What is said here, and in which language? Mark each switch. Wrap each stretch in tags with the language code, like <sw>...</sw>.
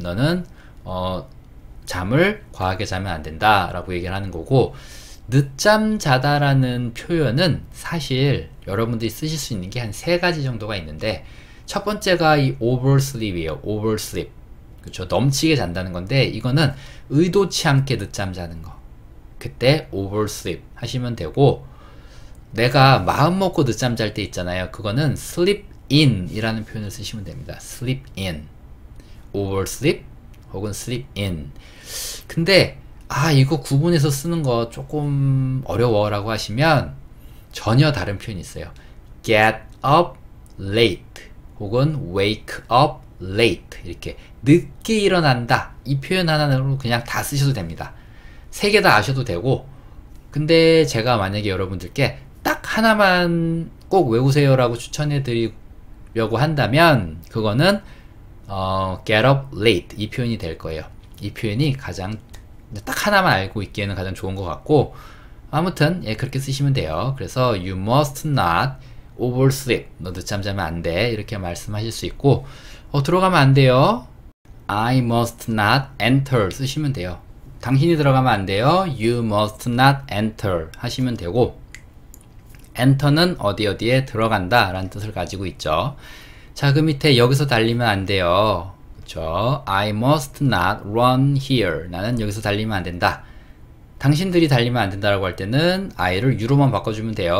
<ko>너는 잠을 과하게 자면 안 된다라고 얘기를 하는 거고, 늦잠 자다라는 표현은 사실 여러분들이 쓰실 수 있는 게한세 가지 정도가 있는데, 첫 번째가 이 oversleep이에요. oversleep. 그렇죠. 넘치게 잔다는 건데, 이거는 의도치 않게 늦잠 자는 거. 그때 oversleep 하시면 되고, 내가 마음 먹고 늦잠 잘때 있잖아요. 그거는 sleep in 이라는 표현을 쓰시면 됩니다.</ko> <en>sleep in. oversleep</en> <ko>혹은</ko> <en>sleep in.</en> <ko>근데, 이거 구분해서 쓰는 거 조금 어려워라고 하시면 전혀 다른 표현이 있어요.</ko> <en>get up late</en> <ko>혹은</ko> <en>wake up late.</en> <ko>이렇게 늦게 일어난다. 이 표현 하나로 그냥 다 쓰셔도 됩니다. 세개다 아셔도 되고. 근데 제가 만약에 여러분들께 딱 하나만 꼭 외우세요라고 추천해 드리려고 한다면, 그거는,</ko> <en>get up late.</en> <ko>이 표현이 될 거예요. 이 표현이 가장, 딱 하나만 알고 있기에는 가장 좋은 것 같고. 아무튼, 예, 그렇게 쓰시면 돼요. 그래서,</ko> <en>you must not oversleep.</en> <ko>너 늦잠 자면 안 돼. 이렇게 말씀하실 수 있고, 들어가면 안 돼요.</ko> <en>I must not enter</en> <ko>쓰시면 돼요. 당신이 들어가면 안 돼요.</ko> <en>You must not enter</en> <ko>하시면 되고, enter는 어디 어디에 들어간다 라는 뜻을 가지고 있죠. 자, 그 밑에 여기서 달리면 안 돼요. 그쵸?</ko> <en>I must not run here.</en> <ko>나는 여기서 달리면 안 된다. 당신들이 달리면 안 된다라고 할 때는 I를 you로만 바꿔주면 돼요.</ko>